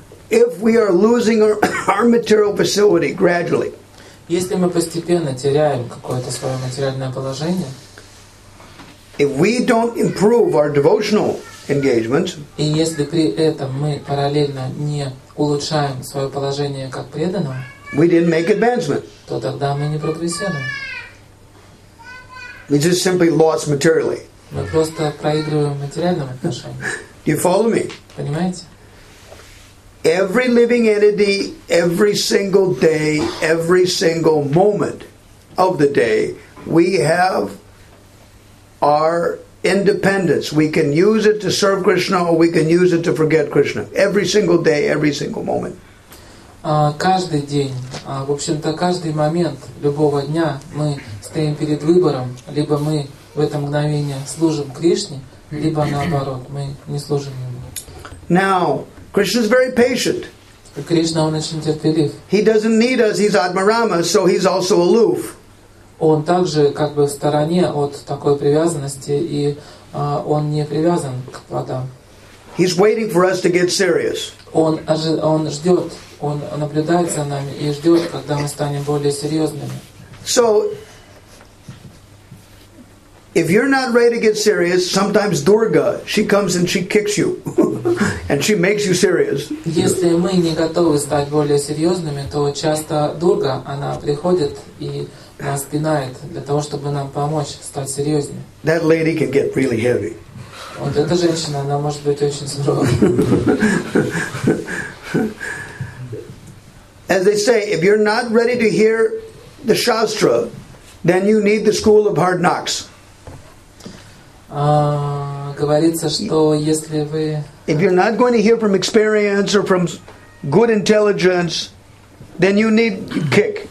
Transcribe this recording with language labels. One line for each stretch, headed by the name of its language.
English: If we are losing our material facility gradually,
Russian: если мы постепенно теряем какое-то свое материальное положение,
English: if we don't improve our devotional engagement,
Russian: и если при этом мы параллельно не улучшаем свое положение как преданного,
English: we didn't make advancement,
Russian: то тогда мы не прогрессируем.
English: We just simply lost materially.
Russian: Мы просто проигрываем в материальном отношении.
English: Do you follow me?
Russian: Понимаете?
English: Every living entity, every single day, every single moment of the day, we have our independence. We can use it to serve Krishna or we can use it to forget Krishna. Every single day, every single moment.
Russian: Каждый день, в общем-то, каждый момент любого дня мы стоим перед выбором, либо мы в это мгновение служим Кришне, либо наоборот, мы не служим Ему.
English: Now, Krishna is very patient.
Russian: Кришна, он очень терпелив.
English: He doesn't need us, he's Admarama, so he's also aloof.
Russian: Он также как бы в стороне от такой привязанности, и он не привязан к плодам.
English: He's waiting for us to get serious.
Russian: Он ждет. Он наблюдает за нами и ждет, когда мы станем более серьезными.
English: So, if you're not ready to get serious, sometimes Durga, she comes and she kicks you, and she makes you serious.
Russian: Если мы не готовы стать более серьезными, то часто Дурга, она приходит и нас пинает для того, чтобы нам помочь стать серьезнее.
English: That lady can get really heavy.
Russian: Вот эта женщина, она может быть очень суровой.
English: As they say, if you're not ready to hear the Shastra, then you need the school of hard knocks.
Russian: Говорится, что если вы...
English: If you're not going to hear from experience or from good intelligence, then you need kick.